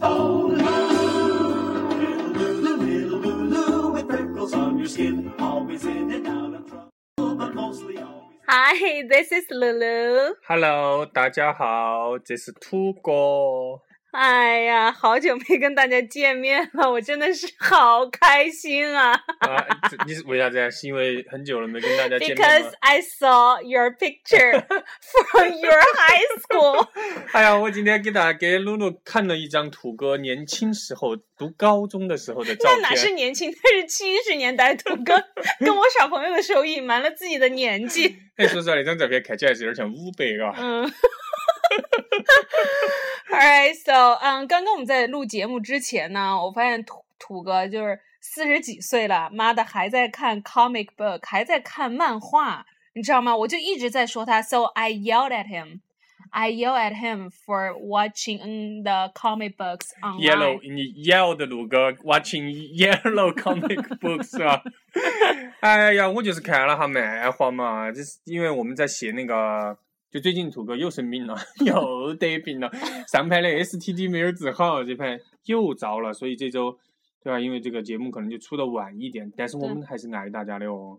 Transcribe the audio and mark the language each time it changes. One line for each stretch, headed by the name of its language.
English: Oh, Lou, little Lou, with freckles on your skin, always in and out of trouble, but mostly always. Hi, this is Lulu.
Chinese: Hello, 大家好，这是兔哥。哎呀，好久没跟大家见面了，我真的是好开心啊！你是为啥这样？是因为很久了没跟大家见面吗
English: ？Because I saw your picture from your high school.
Chinese: 哎呀，我今天给露露看了一张土哥年轻时候读高中的时候的照片。那哪是年轻？那是70年代土哥跟我耍朋友的时候隐瞒了自己的年纪。哎，说实话，那张照片看起来是有点像乌贝啊。嗯。 Alright, so, 刚刚我们在录节目之前呢，我发现土哥就是40几岁了，妈的还在看 comic book, 还在看漫画，你知道吗？我就一直在说他
English: ,so I yelled at him. I yelled at him for watching the comic books online. Yellow,
Chinese: 你
English: yelled, 鲁哥 watching yellow comic books,
Chinese: 是吧？哎呀，我就是看了哈漫画嘛，就是因为我们在写那个就最近土哥又生病了，又得病了，上排的 STD 没有治好，这排又着了，所以这周，对吧？因为这个节目可能就出的晚一点，但是我们还是爱大家的哦。